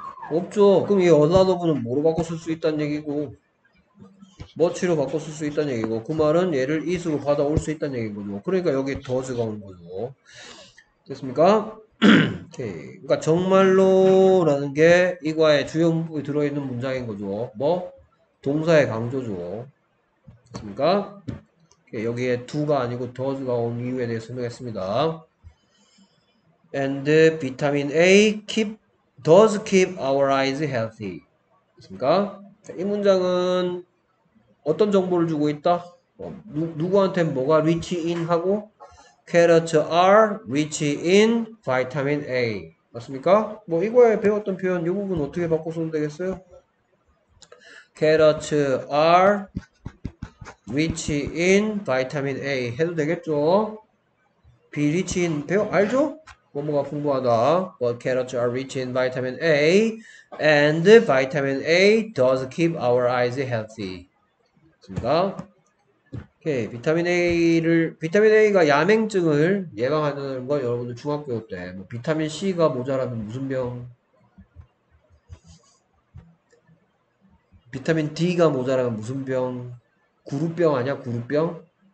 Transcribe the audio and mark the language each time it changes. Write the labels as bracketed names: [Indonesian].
[Korean] 없죠. 그럼 이 얼라더브는 뭐로 바꿔 쓸수 있다는 얘기고 머치로 바꿔 쓸수 있다는 얘기고 그 말은 얘를 it으로 받아올 수 있다는 얘기고 그러니까 여기 does가 온 거죠. 됐습니까? 오케이. 그러니까 정말로라는 게 이과의 주요 문법이 들어있는 문장인 거죠. 뭐? 동사의 강조죠. 그러니까 여기에 do가 아니고 does가 온 이유에 대해서 설명했습니다. [English] And vitamin A does keep our eyes healthy. [Korean] 그러니까 이 문장은 어떤 정보를 주고 있다? 누구한테 뭐가 [English] rich in 하고 carrots are rich in vitamin A. [Korean] 맞습니까? 뭐 이거에 배웠던 표현 이 부분 어떻게 바꿔 써도 되겠어요? [English] carrots are rich in vitamin A [Korean] 해도 되겠죠? be rich in 배워 알죠? 뭐뭐가 풍부하다. [English] But carrots are rich in vitamin A and vitamin A does keep our eyes healthy. [Korean] 좋습니다. 오케이. 비타민 A가 야맹증을 예방하는 건 여러분들 중학교 때 뭐, 비타민 C가 모자라면 무슨 병? 비타민 D가 모자라면 무슨 병? 구루병 아니야? 구루병?